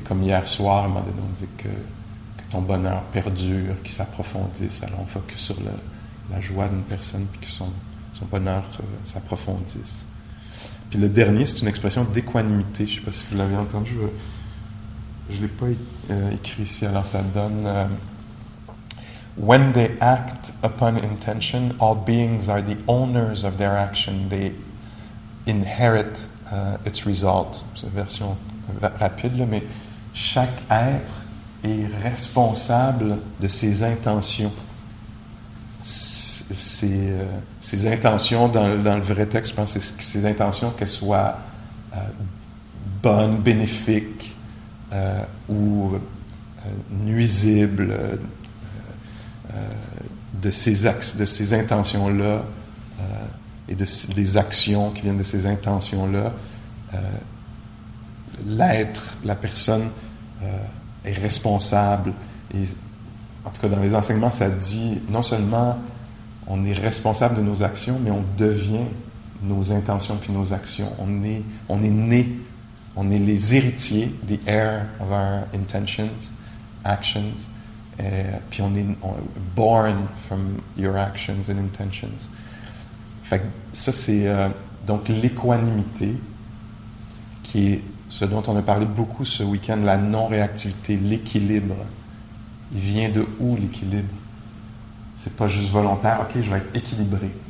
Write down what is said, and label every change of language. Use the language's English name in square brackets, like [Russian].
[French] Comme hier soir, à un moment donné, on dit que ton bonheur perdure, qu'il s'approfondisse. Alors, on focus sur la joie d'une personne, puis que son bonheur s'approfondisse. Puis le dernier, c'est une expression d'équanimité. Je ne sais pas si vous l'avez entendu. Je ne l'ai pas écrit ici, alors ça donne... [English] « When they act upon intention, all beings are the owners of their action. They inherit its result. [French] » C'est une version rapide, là, mais « Chaque être est responsable de ses intentions. » Ses intentions, dans le vrai texte, je pense que c'est ses intentions, qu'elles soient bonnes, bénéfiques, de ces intentions-là et des actions qui viennent de ces intentions-là, l'être, la personne est responsable. Et, en tout cas, dans les enseignements, ça dit non seulement on est responsable de nos actions, mais on devient nos intentions puis nos actions. On est né. On est les héritiers, [English] the heir of our intentions, actions, [French] Puis on est [English] born from your actions and intentions. [French] Fait que ça, c'est donc l'équanimité, qui est ce dont on a parlé beaucoup ce week-end, la non-réactivité, l'équilibre. Il vient de où, l'équilibre? C'est pas juste volontaire, OK, je vais être équilibré.